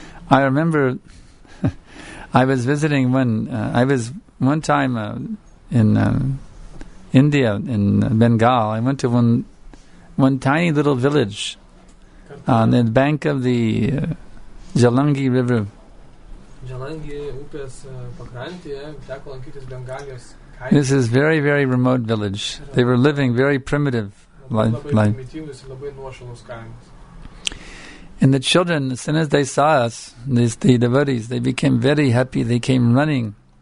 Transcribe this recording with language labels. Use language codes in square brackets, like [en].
[en] I remember I was visiting when I was one time in India, in Bengal. I went to one tiny little village on the bank of the Jalangi River. [lt] Jalangi upės pakrantėje teko lankytis Bengalijos kaime. [en] This is very, very remote village. They were living very primitive life. [lt] Labai primityvus ir labai nuošalus kaimas. [en] And the children, as soon as they saw us, the devotees, they became very happy, they came running.